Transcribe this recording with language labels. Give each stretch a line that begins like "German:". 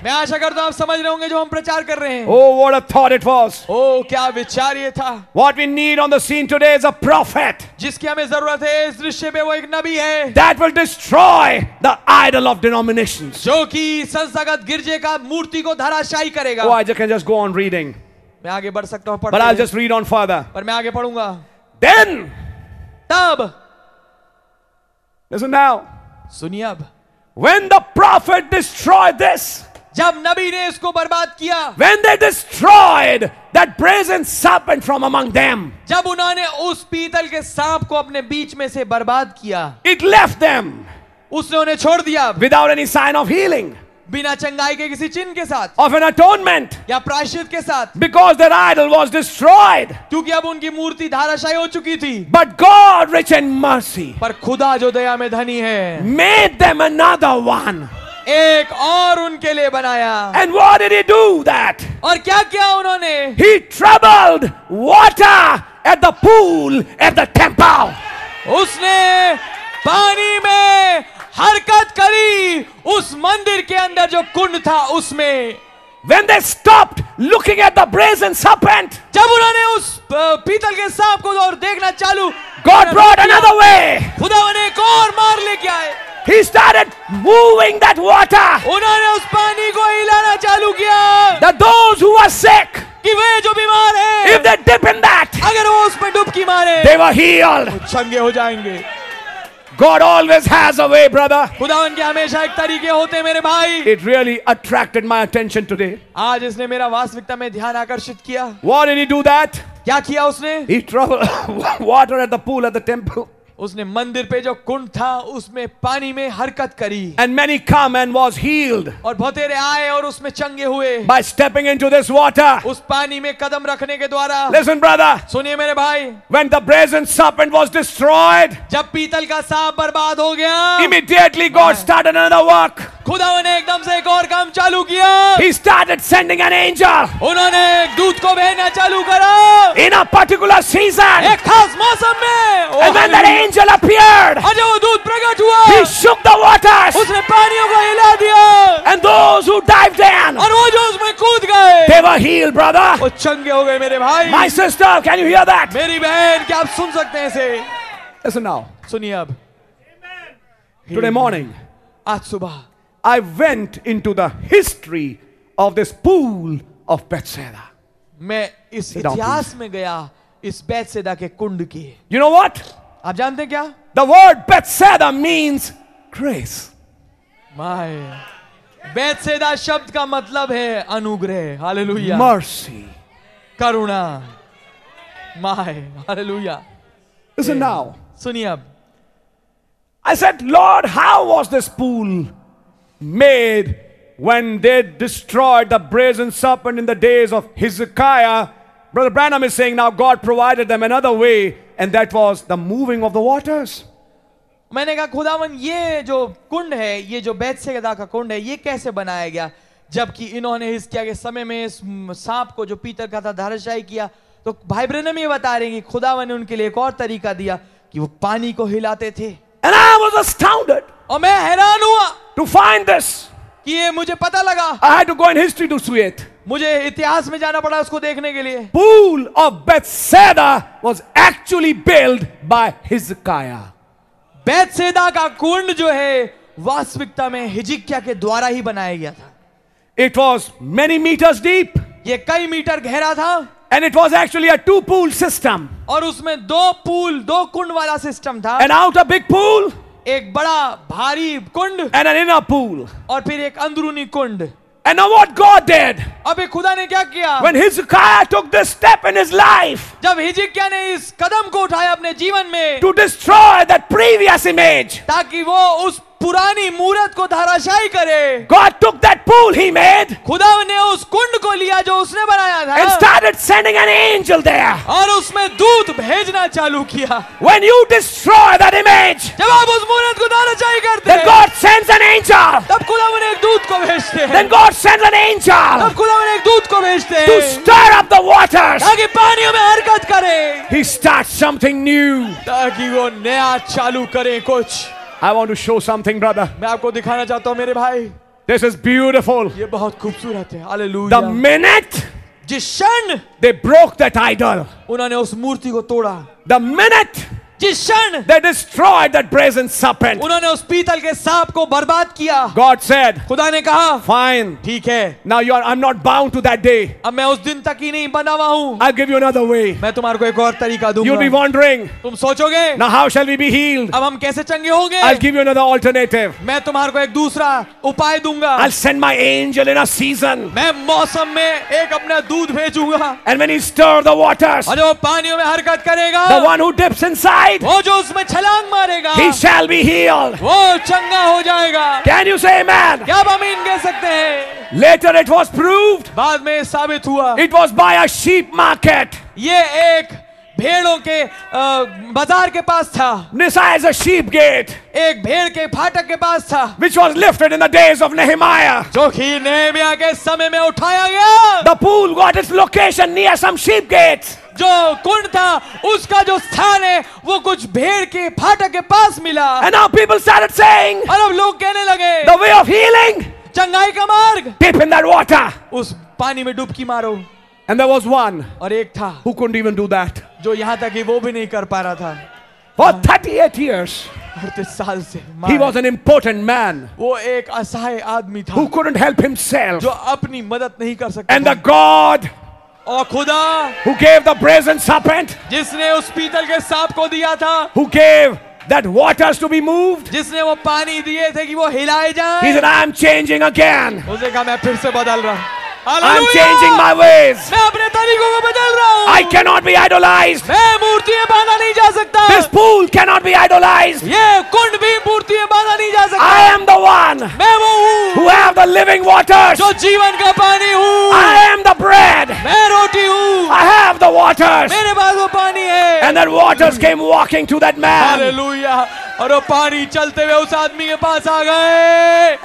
Hindi: मैं आशा करता हूँ आप समझ रहे होंगे जो हम प्रचार कर रहे हैं.
English: Oh, what a thought it was.
Hindi: Oh, क्या विचार ये था.
English: What we need on the scene today is a prophet.
Hindi: जिसकी हमें ज़रूरत है इस दृश्य पे वो एक नबी है.
English: That will destroy the idol of denominations.
Hindi: जो कि संस्थागत गिरजे का मूर्ति को धराशायी करेगा.
English: Oh, I just can just go on reading.
Hindi: मैं आगे बढ़ सकता हूँ.
English: But I'll just read on further.
Hindi: पर मैं आगे पढ़ूंगा.
English: Then,
Hindi: tab.
English: Listen now.
Hindi: सुनिए अब.
English: When the prophet destroyed this,
Hindi: जब नबी ने इसको बर्बाद किया.
English: When they destroyed that brazen serpent from among them,
Hindi: जब उन्होंने उस पीतल के सांप को अपने बीच में से बर्बाद किया.
English: It left them.
Hindi: उसने उन्हें छोड़ दिया.
English: Without any sign of healing.
Hindi: बिना चंगाई के किसी चिन्ह के साथ.
English: Of an atonement.
Hindi: या प्रायश्चित के साथ.
English: Because their idol was destroyed.
Hindi: क्योंकि अब उनकी मूर्ति धराशायी हो चुकी थी.
English: But God, rich in mercy.
Hindi: पर खुदा जो दया में धनी है.
English: Made them another one.
Hindi: एक और उनके लिए बनाया.
English: And what did he do that?
Hindi: और क्या किया उन्होंने?
English: He troubled water at the pool at the temple.
Hindi: उसने पानी में हरकत करी उस मंदिर के अंदर जो कुंड था उसमें.
English: When they stopped looking at the brazen serpent,
Hindi: जब उन्होंने उस पीतल के सांप को और देखना चालू,
English: God brought another way.
Hindi: खुदा ने एक और मार लेके आए.
English: He started moving that water.
Hindi: उन्होंने उस पानी को हिलाना चालू किया.
English: That those who were sick,
Hindi: कि वे जो बीमार हैं,
English: if they dip in that,
Hindi: अगर वो उसमें डुबकी मारे,
English: they were healed.
Hindi: चंगे हो जाएंगे.
English: God always has a way, brother.
Hindi: खुदावन के हमेशा एक तरीके होते हैं मेरे भाई.
English: It really attracted my attention today.
Hindi: आज इसने मेरा वास्तविकता में ध्यान आकर्षित किया.
English: What did he do that?
Hindi: क्या किया उसने?
English: He troubled water at the pool at the temple.
Hindi: उसने मंदिर पे जो कुंड था उसमें पानी में हरकत करी.
English: And many come and was healed.
Hindi: और बहुतेरे आए और उसमें चंगे हुए.
English: By stepping into this water.
Hindi: उस पानी में कदम रखने के द्वारा.
English: Listen, brother.
Hindi: सुनिए मेरे भाई.
English: When the brazen serpent was destroyed.
Hindi: जब पीतल का सांप बर्बाद हो गया.
English: Immediately God started another work.
Hindi: खुदा ने एकदम से एक और काम चालू किया.
English: He started sending an angel.
Hindi: उन्होंने एक दूत को भेजना चालू करा.
English: In a particular season.
Hindi: एक खास मौसम में.
English: And when that angel appeared.
Hindi: और जब वो दूत प्रकट हुआ.
English: He shook the waters.
Hindi: उसने पानियों को हिला दिया.
English: And those who dived in.
Hindi: और वो जो उसमें कूद गए.
English: They were healed, brother.
Hindi: वो चंगे हो गए मेरे भाई.
English: My sister, can you hear that?
Hindi: मेरी बहन, क्या आप सुन सकते हैं इसे?
English: Listen now.
Hindi: सुनिए अब.
English: Amen. Today morning.
Hindi: आज सुबह.
English: I went into the history of this pool of Bethesda.
Hindi: मैं इस इतिहास में गया इस बेतसैदा के कुंड की.
English: You know what?
Hindi: आप जानते क्या?
English: The word Bethesda means grace. My,
Hindi: Bethesda शब्द का मतलब है अनुग्रह.
English: Hallelujah. Mercy.
Hindi: Karuna.
English: My,
Hindi: Hallelujah.
English: Listen now.
Hindi: सुनिए अब.
English: I said, Lord, how was this pool made when they destroyed the brazen serpent in the days of Hezekiah? Brother Branham is saying now God provided them another way, and that was the moving of the waters.
Hindi: मैंने कहा खुदावन ये जो कुंड है, ये जो बैतसैदा का कुंड है, ये कैसे बनाया गया? जबकि इन्होंने हिजकिय्याह के समय में इस सांप को जो पीतल का था धराशायी किया, तो भाई ब्रैनम ये बता रहे हैं कि खुदावन ने उनके लिए एक और तरीका दिया कि वो पानी को हिलाते थे.
English: And I was astounded.
Hindi: और मैं हैरान हुआ.
English: To find this,
Hindi: कि ये मुझे पता लगा.
English: I had to go in history to see it.
Hindi: मुझे इतिहास में जाना पड़ा उसको देखने के लिए.
English: Pool of Bethesda was actually built by Hezekiah.
Hindi: Bethsaida का कुंड जो है वास्तविकता में हिजकिय्याह के द्वारा ही बनाया गया था.
English: It was many meters deep.
Hindi: ये कई मीटर गहरा था.
English: And it was actually a two-pool system.
Hindi: और उसमें दो पूल, दो कुंड वाला सिस्टम था.
English: And out a big pool.
Hindi: एक बड़ा भारी कुंड.
English: And an inner pool.
Hindi: और फिर एक अंदरूनी कुंड.
English: And now what God did?
Hindi: अबे खुदा ने क्या किया?
English: When Hezekiah took this step in his life.
Hindi: जब हिजकिय्याह ने इस कदम को उठाया अपने जीवन में.
English: To destroy that previous image.
Hindi: ताकि वो उस पुरानी मूरत को धराशायी करे.
English: God took that pool he made.
Hindi: खुदा ने उस कुंड को लिया जो उसने बनाया था.
English: And started sending an angel there.
Hindi: और उसमें दूत भेजना चालू किया.
English: When you destroy that image.
Hindi: जब आप उस मूरत को धराशायी करते.
English: Then God sends an angel.
Hindi: तब खुदा ने एक दूत को भेजते.
English: Then God sends an angel.
Hindi: तब खुदा ने एक दूत को भेजते.
English: To stir up the waters.
Hindi: ताकि पानियों में हरकत करे.
English: He starts something new.
Hindi: ताकि वो नया चालू करे कुछ.
English: I want to show something, brother.
Hindi: मैं आपको दिखाना चाहता हूँ मेरे भाई.
English: This is beautiful.
Hindi: ये बहुत खूबसूरत है. Hallelujah.
English: The minute,
Hindi: जिस क्षण,
English: they broke that idol.
Hindi: उन्होंने उस मूर्ति को तोड़ा.
English: The minute, They destroyed that brazen serpent.
Hindi: उन्होंने उस पीतल के सांप को बर्बाद किया.
English: God said.
Hindi: खुदा ने कहा.
English: Fine.
Hindi: ठीक है.
English: Now you are. I'm not bound to that day.
Hindi: अब मैं उस दिन तक ही नहीं बंधा हुआ हूँ.
English: I'll give you another way.
Hindi: मैं तुम्हारे को एक और तरीका दूँगा.
English: You'll be wondering.
Hindi: तुम सोचोगे.
English: Now how shall we be healed?
Hindi: अब हम कैसे चंगे होंगे?
English: I'll give you another alternative.
Hindi: मैं तुम्हारे को एक दूसरा उपाय दूँगा.
English: I'll send my angel in a season.
Hindi: मैं मौसम में एक अपना दूध भेजूँगा.
English: And when he stirs the waters.
Hindi: और जो पानियों में हरकत करेगा.
English: The one who dips inside.
Hindi: वो जो उसमें छलांग मारेगा,
English: he shall be healed.
Hindi: वो चंगा हो जाएगा.
English: Can you say amen?
Hindi: क्या आप आमीन कह सकते हैं?
English: Later it was proved.
Hindi: बाद में साबित हुआ.
English: It was by a sheep market.
Hindi: ये एक भेड़ों के बाजार के पास था.
English: Nisai is a sheep gate.
Hindi: एक भेड़ के फाटक के पास था.
English: Which was lifted in the days of Nehemiah.
Hindi: जो कि नेहमिया के समय में उठाया गया.
English: The pool got its location near some sheep gates.
Hindi: जो कुंड था उसका जो स्थान है वो कुछ भेड़ के फाटक के पास मिला.
English: And now people started saying,
Hindi: और अब लोग कहने लगे,
English: the way of healing,
Hindi: चंगाई का मार्ग,
English: dip in that water,
Hindi: उस पानी में डुबकी मारो.
English: And there was one,
Hindi: और एक था,
English: who couldn't even do that,
Hindi: जो यहां तक वो भी नहीं कर पा रहा था.
English: For 38 years,
Hindi: 38 साल से,
English: he was an important man,
Hindi: वो एक असहाय आदमी था,
English: who couldn't help himself,
Hindi: जो अपनी मदद नहीं कर सकता.
English: And the God,
Hindi: और खुदा,
English: who gave the brazen serpent,
Hindi: जिसने उस पीतल के सांप को दिया था,
English: who gave that waters to be moved,
Hindi: जिसने वो पानी दिए थे कि वो हिलाए जाए,
English: he said, I am changing again.
Hindi: उसे कहा मैं फिर से बदल रहा हूँ.
English: Hallelujah! I'm changing my ways.
Hindi: मैं अपने तरीकों को बदल रहा हूँ.
English: I cannot be idolized.
Hindi: मैं मूर्तियाँ बांधा नहीं जा सकता.
English: This pool cannot be idolized.
Hindi: ये कुंड भी मूर्तियाँ बांधा नहीं जा सकता.
English: I am the one.
Hindi: मैं वो हूँ.
English: Who have the living waters.
Hindi: जो जीवन का पानी हूँ.
English: I am the bread.
Hindi: मैं रोटी हूँ.
English: I have the waters.
Hindi: मेरे पास वो पानी है.
English: And that waters came walking to that man. Hallelujah.
Hindi: और वो पानी चलते हुए उस आदमी के पास आ गए.